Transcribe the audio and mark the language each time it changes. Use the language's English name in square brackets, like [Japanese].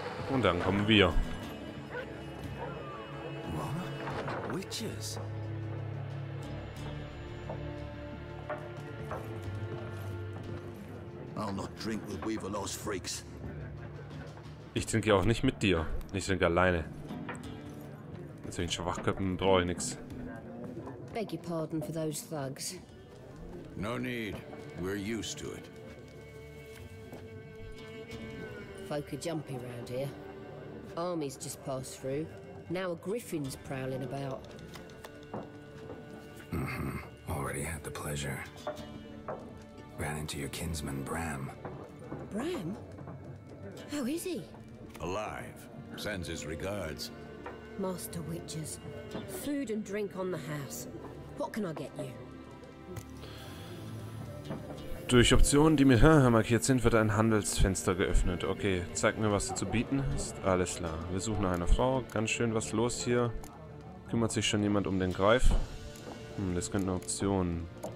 [German] Und dann kommen wir. [English] Witches. I'll not drink with Weaverlost freaks. [German] Ich trinke auch nicht mit dir. Ich trinke alleine. Mit solchen Schwachköpfen brauche ich nichts. [English] Beg your pardon for those thugs. No need. We're used to it. Folk are jumpy around here. Armies just passed through. Now a griffin's prowling about. Mm-hmm. Already had the pleasure. Ran into your kinsman, Bram. Bram? How is he? Alive. Sends his regards. Master witches. Food and drink on the house. What can I get you? [German] Durch Optionen, die mit Haha markiert sind, wird ein Handelsfenster geöffnet. Okay, zeig mir, was du zu bieten hast. Alles klar. Wir suchen nach einer Frau. Ganz schön was los hier. Kümmert sich schon jemand um den Greif? Hm, das könnte eine Option.